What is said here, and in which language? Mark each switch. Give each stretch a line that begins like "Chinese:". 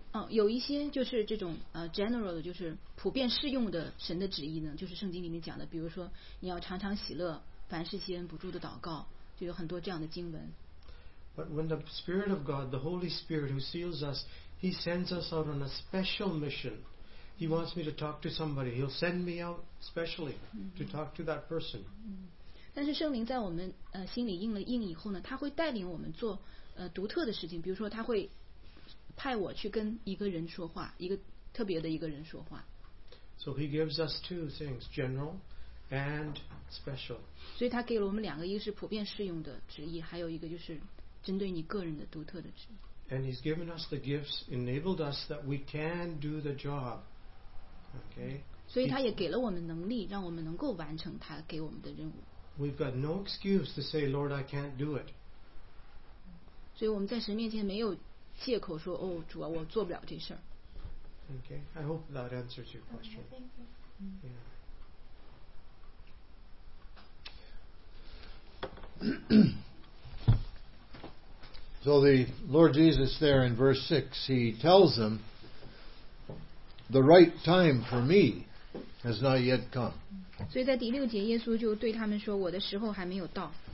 Chinese: 有一些就是这种general 的，就是普遍适用的神的旨意呢，就是圣经里面讲的，比如说你要常常喜乐，凡事谢恩不住的祷告，就有很多这样的经文。
English: But when the Spirit of God, the Holy Spirit who seals us, He sends us out on a special mission. He wants me to talk to somebody. He'll send me out specially to talk to that person.
Chinese: 但是圣灵在我们心里印了印以后呢，他会带领我们做独特的事情，比如说他会派我去跟一个人说话，一个特别的一个人说话。
English: So he gives us two things, general and special.
Chinese: 所以他给了我们两个，一个是普遍适用的旨意，还有一个就是针对你个人的独特的旨意。
English: And He's given us the gifts, enabled us that we can do the job. Okay.
Chinese: 所以他也给了我们能力，让我们能够完成他给我们的任务。
English: We've got no excuse to say, Lord, I can't do it.
Chinese: 所以我们在神面前没有借口说，哦，主啊，我做不了这事儿。
English: Okay. I hope that answers your question. Okay, thank you. Yeah. So the Lord Jesus there in verse 6, He tells them, the right time for me has not yet come.
Chinese: 所以在第六节耶稣就对他们说，我的时候还没有到。